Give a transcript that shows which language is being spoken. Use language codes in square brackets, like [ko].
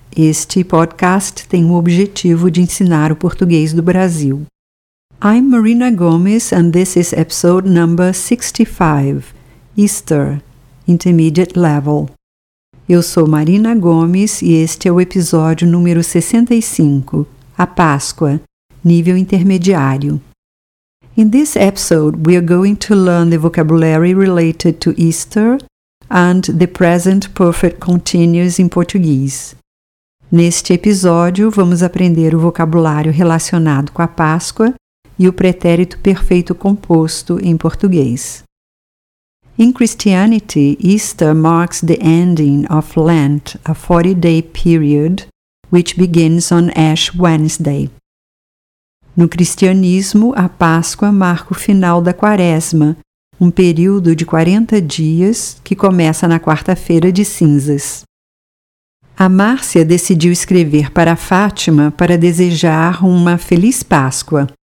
[pt] Este podcast tem o objetivo de ensinar o português do Brasil. [en] I'm Marina Gomes and this is episode number 65, Easter, Intermediate Level. [pt] Eu sou Marina Gomes e este é o episódio número 65, A Páscoa, Nível Intermediário. [en] In this episode, we are going to learn the vocabulary related to Easter and the present perfect continuous in Portuguese. [pt] Neste episódio, vamos aprender o vocabulário relacionado com a Páscoa e o pretérito perfeito composto em português. [en] In Christianity, Easter marks the ending of Lent, a 40-day period, which begins on Ash Wednesday. [pt] No cristianismo, a Páscoa marca o final da quaresma, um período de 40 dias que começa na quarta-feira de cinzas. A Márcia decidiu escrever para a Fátima para desejar uma feliz Páscoa.